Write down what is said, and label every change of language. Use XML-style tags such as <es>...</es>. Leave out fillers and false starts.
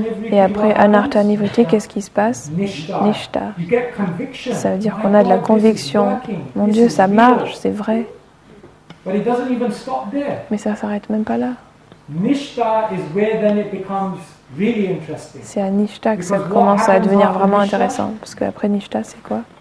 <fr>Et après Anartha Nivritti, qu'est-ce qui se passe?</fr> <sa>Nishta.</sa> <fr>Ça veut dire qu'on a de la conviction. Mon Dieu, ça marche, c'est vrai. Mais ça ne s'arrête même pas là.</fr> <en>Nishta is where then it becomes really interesting.</en> <fr>C'est à Nishta que ça commence à devenir vraiment intéressant. Parce que après Nishta, c'est quoi?</fr>